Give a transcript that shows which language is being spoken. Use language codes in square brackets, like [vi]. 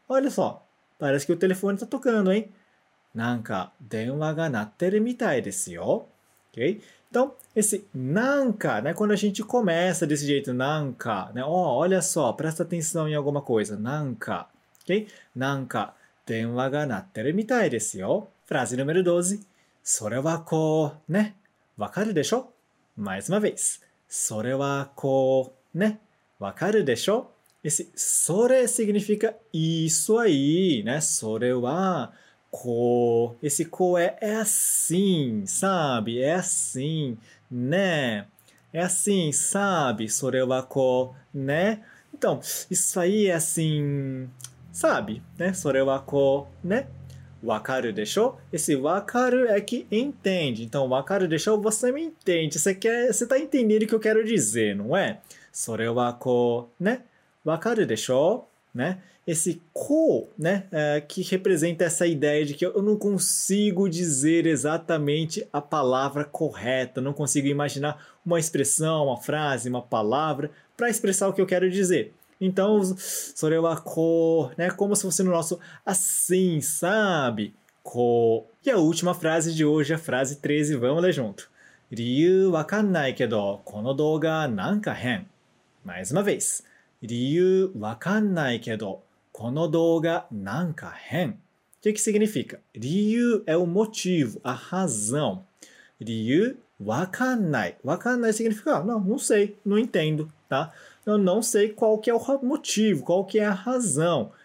[pt] Olha só, parece que o telefone está tocando, hein? [ja] Nanka denwa ga natteru mitai desu yo. [pt] Ok? Então, esse nanka, né? Quando a gente começa desse jeito, nanka, né? Oh, olha só, presta atenção em alguma coisa. Nanka, ok? Nanka [ja] 電話が鳴ってるみたいですよ。プラジルメルドージ。それはこう、ね。わかるでしょ？マイズマフェイス。それはこう、ね。わかるでしょ？ [pt] それ significa isso aí, ね。 [ja] それは、こう。 [pt] Esse こう é assim, sabe? É assim, ね。É assim, sabe? [ja] それはこう、ね。 [pt] Então, isso aí é assim... Sabe, né? [ja] Sore wa ko, né? Wakaru desho? [pt] Esse wakaru é que entende. Então, [ja] wakaru desho, [pt] você me entende. Você tá entendendo o que eu quero dizer, não é? [ja] Sore wa ko, né? Wakaru desho? Né? [pt] Esse ko, né? É, que representa essa ideia de que eu não consigo dizer exatamente a palavra correta. Não consigo imaginar uma expressão, uma frase, uma palavra para expressar o que eu quero dizer. Então, [ja] それはこう, [pt] né? Como se fosse no nosso assim, sabe? こう.E a última frase de hoje, a frase 13, vamos ler junto. [ja] 理由わかんないけど、この動画なんか変. [pt] Mais uma vez. [ja] 理由わかんないけど、この動画なんか変. [pt] O que significa? 理由 é o motivo, a razão. [ja] 理由わかんない. [pt] わかんない significa, não sei, não entendo, tá? Eu não sei qual que é o motivo, qual que é a razão.